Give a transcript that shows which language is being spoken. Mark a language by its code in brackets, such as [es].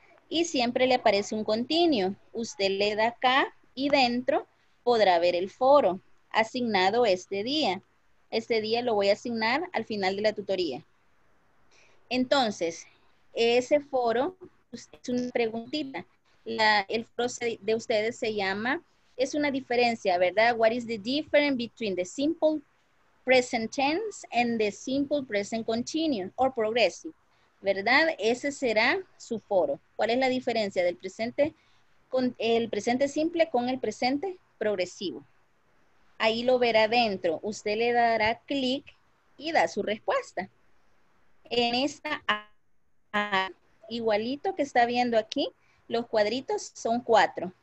[es] Y siempre le aparece un continuo. Usted le da acá y dentro podrá ver el foro asignado este día. Este día lo voy a asignar al final de la tutoría. Entonces, ese foro es una preguntita. El foro de ustedes se llama, es una diferencia, ¿verdad? [en] What is the difference between the simple present tense and the simple present continuous or progressive? [es] ¿Verdad? Ese será su foro. ¿Cuál es la diferencia del presente con el presente simple con el presente progresivo? Ahí lo verá dentro. Usted le dará clic y da su respuesta. En esta A, igualito que está viendo aquí, los cuadritos son 4.